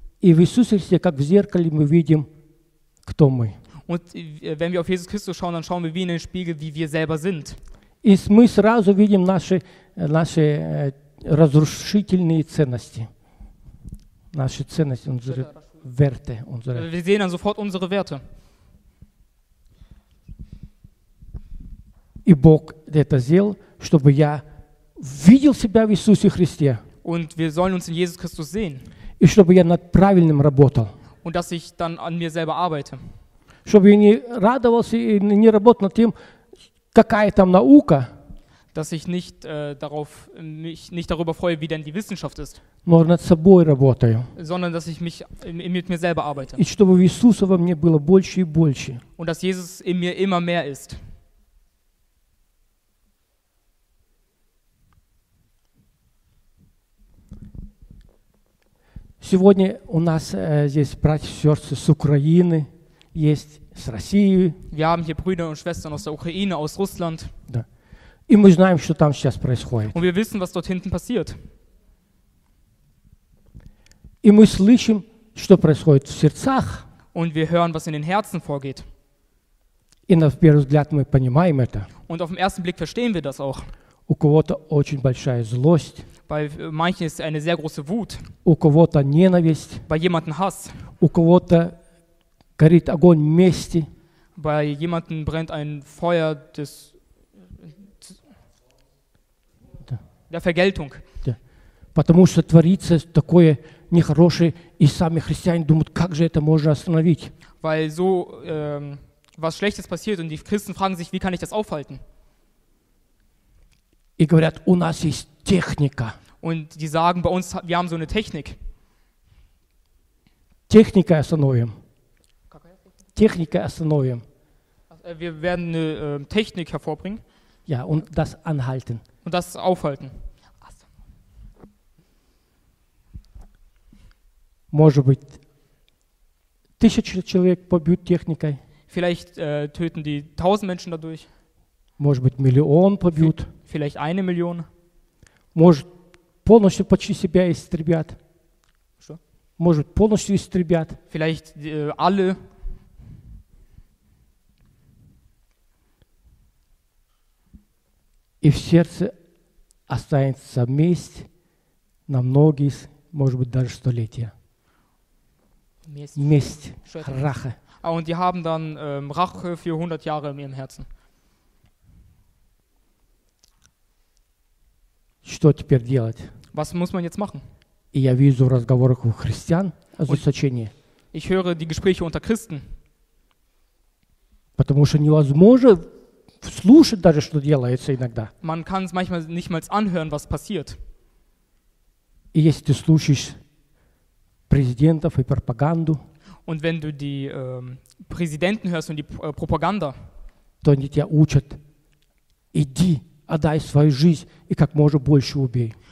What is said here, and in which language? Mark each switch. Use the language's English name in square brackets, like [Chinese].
[Russian] И в Иисусе Христе, как в зеркале, мы видим, кто мы. [German] Und wenn wir auf Jesus Christus schauen, dann schauen wir wie in den Spiegel, wie wir selber sind. [Russian] И мы сразу видим наши разрушительные ценности. Наши ценности, [German] unsere Werte. Wir sehen dann sofort unsere Werte. [Russian] И Бог это сделал, чтобы я видел себя в Иисусе Христе. [German] Und wir sollen uns in Jesus Christus sehen. [Russian] И чтобы я над правильным работал. [German] Und dass ich dann an mir selber arbeite. [Russian] Чтобы я не радовался и не работал над тем, какая там наука. [German] Dass ich nicht darauf mich nicht darüber freue, wie denn die Wissenschaft ist. Nur [Russian] над собой работаю. [German] Sondern dass ich mich mit mir selber arbeite. [Russian] И чтобы Иисуса во мне было больше и больше. [German] Und dass Jesus in mir immer mehr ist. [Russian] Сегодня у нас здесь братья и сестры с Украины, есть с России. [German] Wir haben hier Brüder und Schwestern aus der Ukraine, aus Russland. [Russian] Да. И мы знаем, что там сейчас происходит. [German] Und wir wissen, was dort hinten passiert. [Russian] И мы слышим, что происходит в сердцах. [German] Und wir hören, was in den Herzen vorgeht. [Russian] И на первый взгляд мы понимаем это. [German] Und auf den ersten Blick verstehen wir das auch. [Russian] У кого-то очень большая злость. [German] Bei manchen ist eine sehr große Wut. [Russian] У кого-то ненависть. [German] Bei jemanden Hass. [Russian] У кого-то горит огонь мести. [German] Bei jemanden brennt ein Feuer des [Russian] да. [German] der Vergeltung. [Russian] Да. Потому что творится такое нехорошее, и сами христиане думают, как же это можно остановить? [German] Weil so was Schlechtes passiert und die Christen fragen sich, wie kann ich das aufhalten? [Russian] И говорят, у нас есть Техника. [German] Und die sagen bei uns, wir haben so eine Technik. [Russian] Техника остановим. Техника остановим. [German] Wir werden eine Technik hervorbringen. Ja, und das anhalten. Und das aufhalten. [Russian] Может быть, тысячи человек побьют техникой. [German] Vielleicht töten die 1000 Menschen dadurch. [Russian] Может быть, миллион побьют. [German] Vielleicht eine Million. [Russian] Может полностью почти себя истребят. Что? Может полностью истребят. [German] Vielleicht alle. [Russian] И в сердце останется месть на многие, может быть, даже столетия. Месть. [German] Рахе. А, und die haben dann Rache für 100 Jahre in ihrem Herzen. [Russian] Что теперь делать? [German] Was muss man jetzt machen? [Russian] И я вижу в разговорах у христиан ожесточение. [German] Ich höre die Gespräche unter Christen. [Russian] Потому что невозможно слушать даже, что делается иногда. [German] Man kann es manchmal nicht mal anhören, was passiert. [Russian] И если ты слушаешь президентов и пропаганду, [German] und wenn du die Präsidenten hörst und die Propaganda, [Russian] то они тебя учат, иди. Отдай свою жизнь и как можно больше убей.